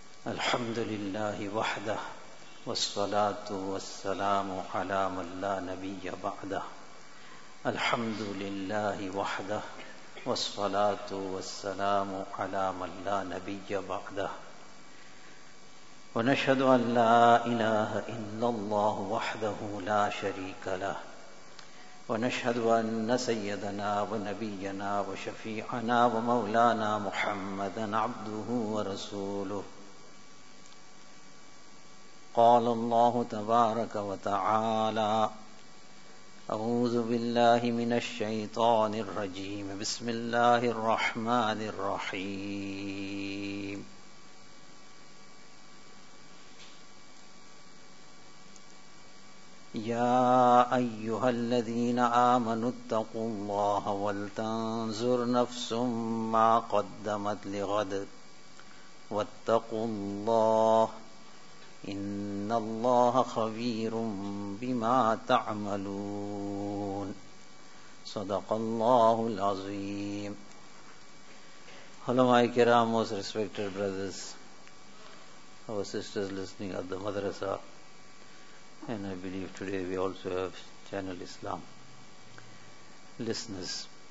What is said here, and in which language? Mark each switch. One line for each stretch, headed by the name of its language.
Arabic: الحمد للہ وحدہ والصلاة والسلام علی من لا نبی بعدہ. الحمد للہ وحدہ والصلاة والسلام علی من لا نبی بعدہ. ونشهد ان لا الہ الا اللہ وحدہ لا شریک لہ. ونشهد أن سيدنا ونبينا وشفيعنا ومولانا محمدا عبده ورسوله. قال الله تبارك وتعالى: أعوذ بالله من الشيطان الرجيم، بسم الله الرحمن الرحيم. يا أيها الذين آمنوا اتقوا الله ولتنظر نفس ما قدمت لغد واتقوا الله إن الله خبير بما تعملون. صدق الله العظيم. علماء الكرام,
English: most respected brothers, our sisters listening at the madrasa, and I believe today we also have Channel Islam listeners.